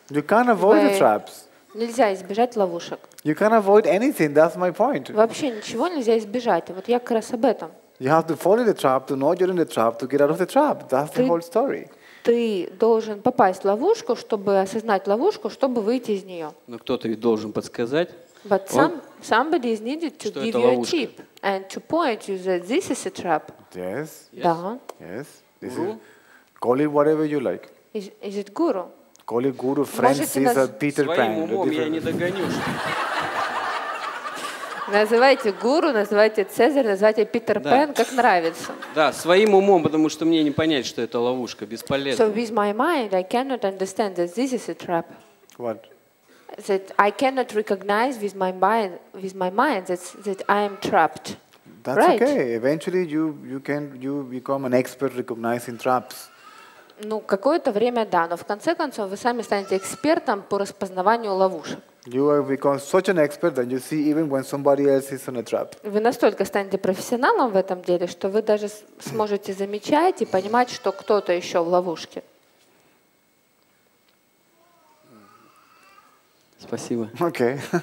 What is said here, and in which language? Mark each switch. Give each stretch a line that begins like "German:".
English: You can't avoid the traps.
Russian: Нельзя избежать ловушек.
English: You can't avoid anything, that's my point.
Russian: Вообще ничего нельзя избежать, вот я как раз об этом.
English: You have to fall in the trap, to know you're in the trap, to get out of the trap. That's the whole story.
Russian: Ты должен попасть в ловушку, чтобы осознать ловушку, чтобы выйти из нее. Но кто-то ведь должен подсказать.
English: But somebody is needed to give you a tip and to point you that this is a trap. Yes.
Russian: Да.
English: Yes. This is, call it whatever you like. Is it guru? Call it guru, Francis, or Peter Pan.
Russian: Своим умом я не догоню. Называйте гуру, называйте Цезарь, называйте Питер Пен, как нравится. Да, своим умом, потому что мне не понять, что это ловушка, бесполезно.
English: So with my mind I cannot understand that this is a trap. What? That I cannot recognize with my mind that I am trapped. That's right? Okay. Eventually you become an expert recognizing traps.
Russian: Ну, какое-то время да, но в конце концов вы сами станете экспертом по распознаванию ловушек.
English: You have become such an expert that you see even when somebody else is on a trap.
Russian: Вы настолько станете профессионалом в этом деле, что вы даже сможете замечать и понимать, что кто-то еще в ловушке. Спасибо.
English: Okay.